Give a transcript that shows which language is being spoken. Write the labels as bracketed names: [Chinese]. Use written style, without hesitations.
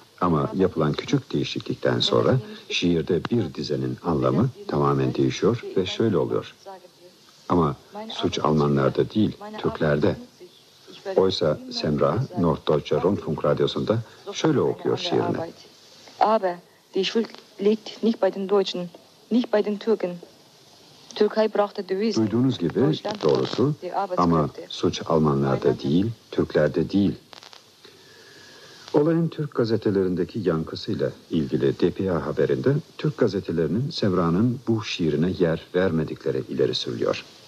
[Turkish] Ama yapılan küçük değişiklikten sonra şiirde bir dizenin anlamı tamamen değişiyor ve şöyle oluyor. Ama suç Almanlarda değil Türklerde. Oysa Semra, Norddeutscher Rundfunk Radyosu'nda şöyle okuyor şiirini. [German] Aber die Schuld liegt nicht bei den Deutschen, nicht bei den Türken. Türkei braucht die Devise. [Turkish] Duyduğunuz gibi doğrusu ama suç Almanlarda değil, Türklerde değil. Olayın Türk gazetelerindeki yankısıyla ilgili DPA haberinde Türk gazetelerinin Semra'nın bu şiirine yer vermedikleri ileri sürülüyor.